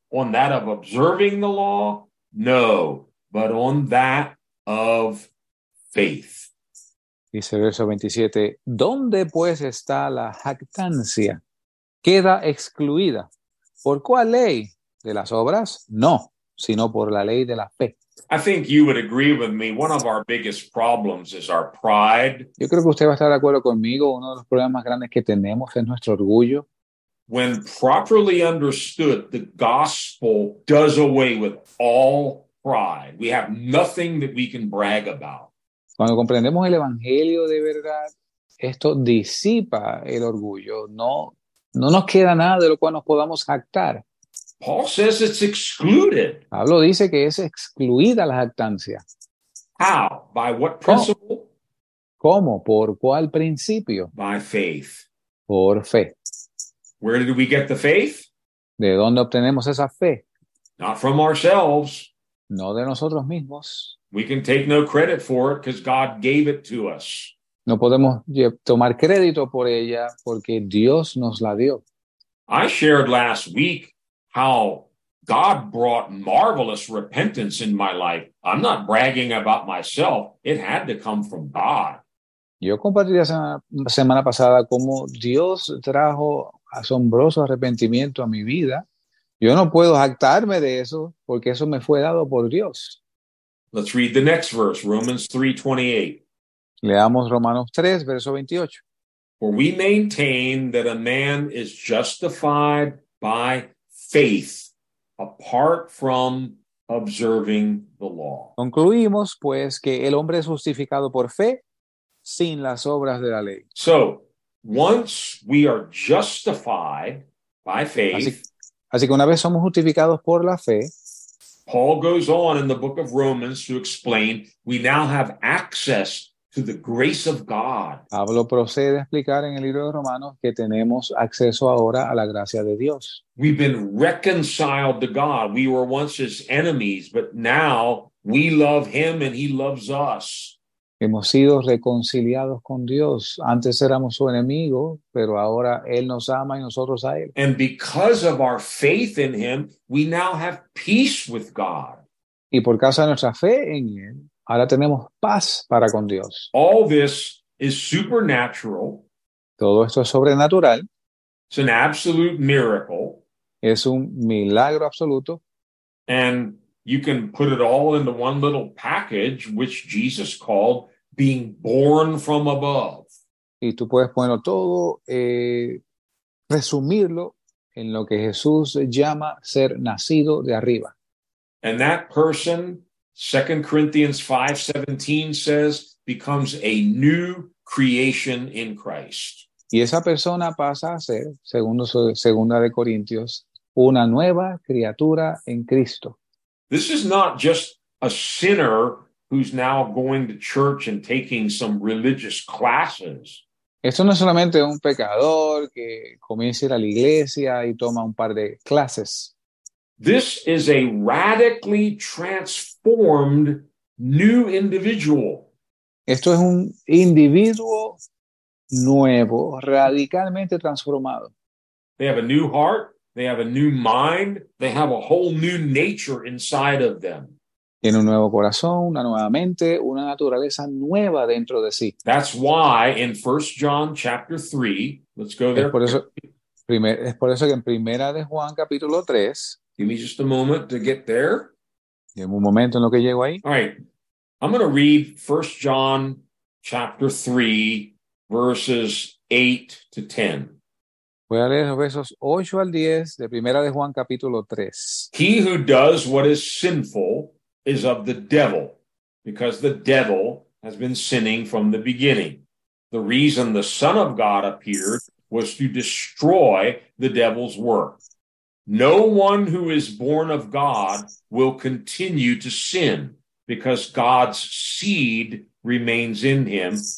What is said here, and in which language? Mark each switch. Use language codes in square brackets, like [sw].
[en] On that of observing the law? No, but on that of faith. [es] Dice el verso 27, ¿dónde pues está la jactancia? ¿Queda excluida? ¿Por cuál ley? ¿De las obras? No, sino por la ley de la fe. [en] I think you would agree with me, one of our biggest problems is our pride. [es] Yo creo que usted va a estar de acuerdo conmigo, uno de los problemas más grandes que tenemos es nuestro orgullo. [en] When properly understood, the gospel does away with all pride. We have nothing that we can brag about. [es] Cuando comprendemos el evangelio de verdad, esto disipa el orgullo. No nos queda nada de lo cual nos podamos jactar. [en] Paul says it's excluded. [es] Pablo dice que es excluida la jactancia. [en] How? By what principle? [es] ¿Cómo? ¿Por cuál principio? [en] By faith. [es] Por fe. [en] Where did we get the faith? [es] ¿De dónde obtenemos esa fe? [en] Not from ourselves. [es] No de nosotros mismos. [en] We can take no credit for it because God gave it to us. [es] No podemos tomar crédito por ella porque Dios nos la dio. [en] I shared last week how God brought marvelous repentance in my life. I'm not bragging about myself. It had to come from God. [es] Yo compartí la semana pasada cómo Dios trajo asombroso arrepentimiento a mi vida. Yo no puedo jactarme de eso porque eso me fue dado por Dios. [en] Let's read the next verse, Romans 3:28. [es] Leamos Romanos 3, verso 28. [en] For we maintain that a man is justified by faith apart from observing the law. [es] Concluimos, pues, que el hombre es justificado por fe sin las obras de la ley. [en] So, once we are justified by faith, [es] así que una vez somos justificados por la fe, [en] Paul goes on in the book of Romans to explain we now have access to the grace of God. [es] Pablo procede a explicar en el libro de Romanos que tenemos acceso ahora a la gracia de Dios. [en] We've been reconciled to God. We were once his enemies, but now we love him and he loves us. [es] Hemos sido reconciliados con Dios. Antes éramos su enemigo, pero ahora él nos ama y nosotros a él. [en] And because of our faith in him, we now have peace with God. [es] Y por causa de nuestra fe en él, ahora tenemos paz para con Dios. [en] All this is supernatural. [es] Todo esto es sobrenatural. [en] It's an absolute miracle. [es] Es un milagro absoluto. [en] And you can put it all into one little package, which Jesus called being born from above. [es] Y tú puedes ponerlo todo, resumirlo en lo que Jesús llama ser nacido de arriba. [en] And that person, 2 Corinthians 5:17 says, becomes a new creation in Christ. [es] Y esa persona pasa a ser, segunda de Corintios, una nueva criatura en Cristo. [en] This is not just a sinner who's now going to church and taking some religious classes. [es] Esto no es solamente un pecador que comienza a ir a la iglesia y toma un par de clases. [en] This is a radically transformed new individual. [es] Esto es un individuo nuevo, radicalmente transformado. [en] They have a new heart, they have a new mind, they have a whole new nature inside of them. [es] Tiene un nuevo corazón, una nueva mente, una naturaleza nueva dentro de sí. [en] That's why in 1 John chapter 3, let's go there. [es] Es por eso que en Primera de Juan capítulo 3. [en] Give me just a moment to get there. [es] Dame un momento en lo que llego ahí. [en] All right. I'm going to read 1 John chapter 3, verses 8 to 10. [es] Voy a leer los versos 8 al 10 de Primera de Juan capítulo 3. [en] He who does what is sinful is of the devil, because the devil has been sinning from the beginning. The reason the Son of God appeared was to destroy the devil's work. No one who is born of God will continue to sin, because God's seed remains in him.